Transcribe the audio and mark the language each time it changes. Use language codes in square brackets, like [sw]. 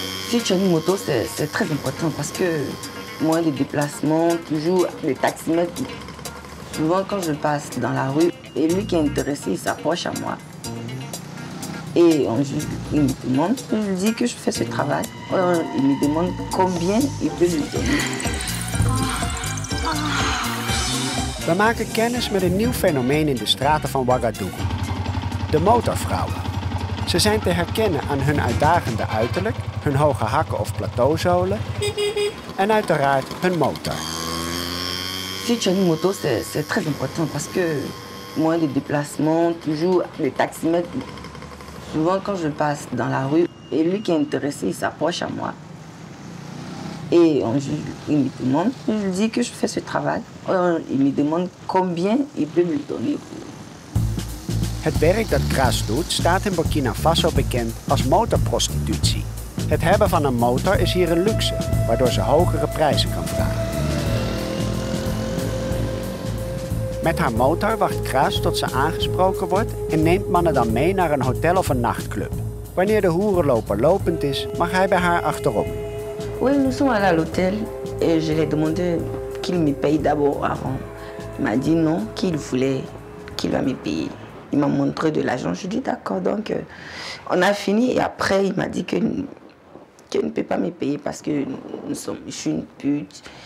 [fr] Si tu as une moto, c'est très important parce que moi, les déplacements, toujours les taximètres, souvent quand je passe dans la rue, et lui qui est intéressé, il s'approche à moi. Et il me demande, je lui dis que je fais ce travail. Il me demande combien il peut lui donner. [nl] We maken kennis met een nieuw fenomeen in de straten van Ouagadougou. De motorvrouwen. Ze zijn te herkennen aan hun uitdagende uiterlijk, hun hoge hakken of plateauzolen en uiteraard hun motor. [fr] Si tu as une moto, c'est très important parce que moi les déplacements, toujours les taximètres. Souvent quand je passe dans la rue et lui qui est intéressé, il s'approche à moi. Et il me demande, je lui dis que je fais ce travail. Il me demande combien il peut me donner. [nl] Het werk dat Kras doet staat in Burkina Faso bekend als motorprostitutie. Het hebben van een motor is hier een luxe, waardoor ze hogere prijzen kan vragen. Met haar motor wacht Kras tot ze aangesproken wordt en neemt mannen dan mee naar een hotel of een nachtclub. Wanneer de hoerenloper lopend is, mag hij bij haar achterop. [fr] Oui, nous sommes allés à l'hôtel et je lui ai demandé qu'il me paye d'abord avant. Il m'a dit non, qu'il voulait qu'il va me payer. Il m'a montré de l'argent. Je lui ai dit d'accord. Donc, on a fini et après, il m'a dit qu'il ne peut pas me payer parce que je suis une pute.